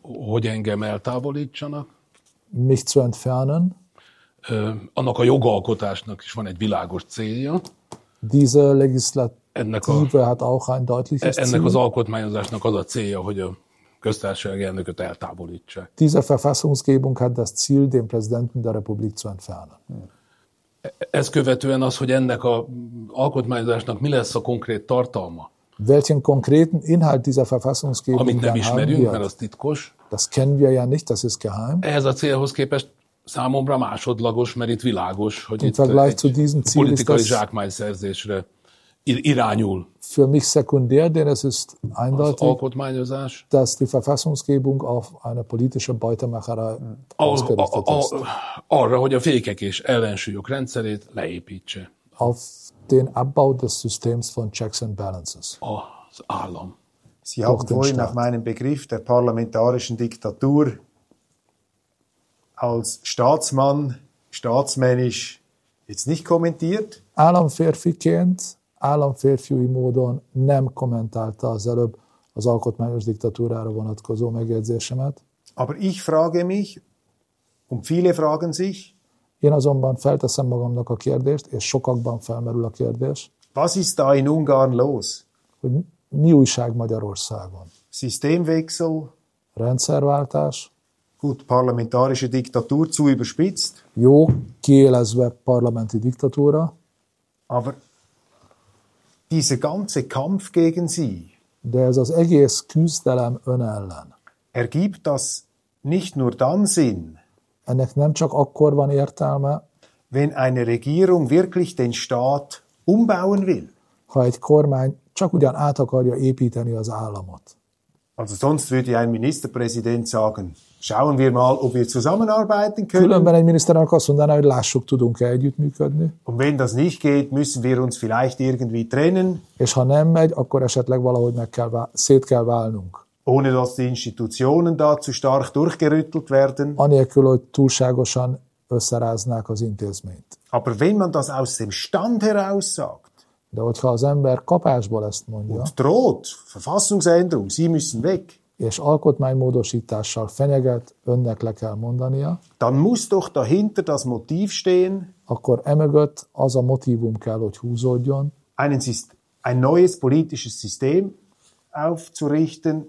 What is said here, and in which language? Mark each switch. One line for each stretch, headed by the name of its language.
Hungarian: hogy engem eltávolítsanak.
German: Mich zu entfernen.
Hungarian: Annak a jogalkotásnak is van egy világos célja.
German: Diese Legislative hat auch ein deutliches Ziel.
Hungarian: Ennek az alkotmányozásnak az a célja, hogy a köztársasági elnököt eltávolítsa.
German: Diese Verfassungsgebung hat das Ziel, den Präsidenten der Republik zu entfernen.
Hungarian: Ez követően az, hogy ennek a alkotmányozásnak mi lesz a konkrét tartalma?
German: Welchen konkreten Inhalt dieser Verfassungsgebung
Hungarian: amit nem ismerünk, mert az titkos.
German: Das kennen wir ja nicht, das ist geheim.
Hungarian: Ehhez a célhoz képest számomra másodlagos, mert itt világos, hogy
German: in Vergleich zu diesem Ziel ist
Hungarian: politikai zsákmányszerzésre irányul.
German: Für mich sekundär, denn es ist eindeutig,
Hungarian: az alkotmányozás,
German: dass die Verfassungsgebung auf eine politische Beutemacherei ausgerichtet ist.
Hungarian: Arra, hogy a fékek és ellensúlyok rendszerét leépítse.
German: Auf den Abbau des Systems von Checks and Balances.
Hungarian: Az állam.
German: Sie haben vorhin nach meinem Begriff der parlamentarischen Diktatur als Staatsmann, staatsmännisch, jetzt nicht kommentiert.
Hungarian: Államférfiként, államférfiúi módon nem kommentálta az előbb az alkotmányos diktatúrára vonatkozó megjegyzésemet.
German: Aber ich frage mich, und viele fragen sich,
Hungarian: én azonban felteszem magamnak a kérdést, és sokakban felmerül a kérdés.
German: Was ist da in Ungarn los?
Hungarian: Hogy mi újság Magyarországon?
German: Systemwechsel.
Hungarian: Rendszerváltás.
German: Gut, parlamentarische Diktatur, zu überspitzt.
Hungarian: Jó, kiélezve parlamenti diktatúra.
German: Aber diese ganze Kampf gegen sie.
Hungarian: De ez az egész küzdelem ön ellen.
German: Ergibt das nicht nur dann Sinn.
Hungarian: Ennek nem csak akkor van értelme.
German: Wenn eine Regierung wirklich den Staat umbauen will.
Hungarian: Ha egy kormány csak ugyan át akarja építeni az államot.
German: Also sonst würde ein Ministerpräsident sagen, schauen wir mal, ob wir zusammenarbeiten können.
Hungarian: Különben egy miniszterelnök azt mondaná, hogy lássuk, tudunk-e együttműködni.
German: Und wenn das nicht geht, müssen wir uns vielleicht irgendwie trennen.
Hungarian: És ha nem megy, akkor esetleg valahogy szét kell válnunk.
German: Ohne dass die Institutionen da zu stark durchgerüttelt werden.
Hungarian: Anélkül, hogy túlságosan összeráznák az intézményt.
German: Aber wenn man das aus dem Stand heraus sagt,
Hungarian: de hogyha az ember kapásból ezt mondja,
German: und droht, Verfassungsänderung, Sie müssen weg.
Hungarian: És alkotmánymódosítással fenyeget, önnek le kell mondania,
German: dann muss doch dahinter das Motiv stehen,
Hungarian: akkor emögött az a motivum kell, hogy húzódjon,
German: ein neues politisches System aufzurichten,